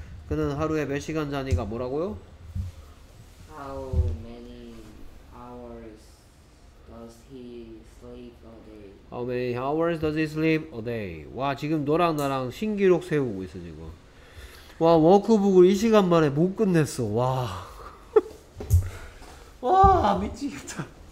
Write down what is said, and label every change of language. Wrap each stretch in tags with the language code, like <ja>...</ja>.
<ko>그는 하루에 몇 시간 자니까 뭐라고요?</ko> <en>How many hours does he sleep a day? How many hours does he sleep a day?</en> <ko>와 지금 너랑 나랑 신기록 세우고 있어 지금. 와 워크북을 이 시간 만에 못 끝냈어. 와 와 미치겠다.</ko>